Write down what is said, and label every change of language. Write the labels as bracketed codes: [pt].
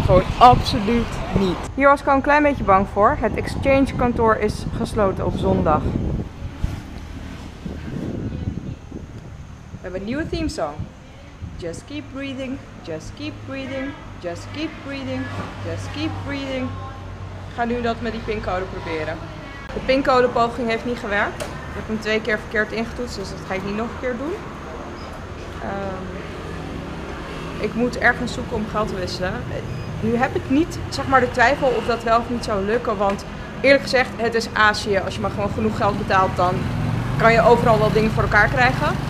[nl] Gewoon absoluut niet. Hier was ik al een klein beetje bang voor. Het exchange kantoor is gesloten op zondag. We hebben een nieuwe theme song. [en] Just keep breathing, just keep breathing, just keep breathing, just keep breathing. [nl] Ik ga nu dat met die pincode proberen. De pincode poging heeft niet gewerkt. Ik heb hem 2 keer verkeerd ingetoetst, dus dat ga ik niet nog een keer doen. Ik moet ergens zoeken om geld te wisselen. Nu heb ik niet zeg maar de twijfel of dat wel of niet zou lukken. Want eerlijk gezegd, het is Azië. Als je maar gewoon genoeg geld betaalt, dan kan je overal wel dingen voor elkaar krijgen.